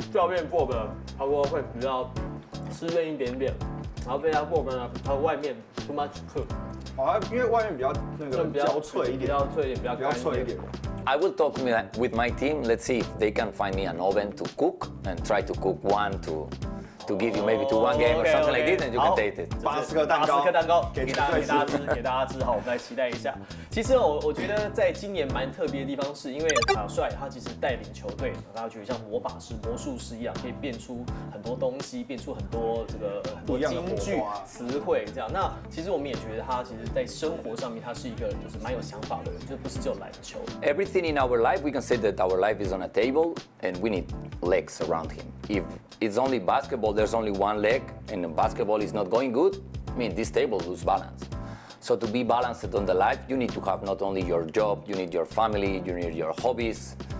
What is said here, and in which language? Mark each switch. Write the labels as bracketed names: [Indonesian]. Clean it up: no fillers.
[Chinese] 下面部分它会比较湿润一点点，然后这家部分呢，它外面 [English] too much cook. [Chinese] 因为外面比较脆一点。 [English] I will talk with my team. Let's see if they can find me an oven to cook and try to cook one to give you maybe to one game or something like this, and you can date it. [Chinese] 巴斯克蛋糕，给大家吃，好，我们来期待一下。其实我觉得在今年蛮特别的地方，是因为卡帅他其实带领球队，大家觉得像魔法师、魔术师一样，可以变出很多东西，变出很多这个很多金句、词汇这样。那其实我们也觉得他其实在生活上面，他是一个就是蛮有想法的人，就不是只有篮球。 [English] Everything in our life, we can say that our life is on a table, and we need legs around him. If it's only basketball, there's only one leg, and basketball is not going good, I mean, this table lose balance. So to be balanced on the life, you need to have not only your job, you need your family, you need your hobbies.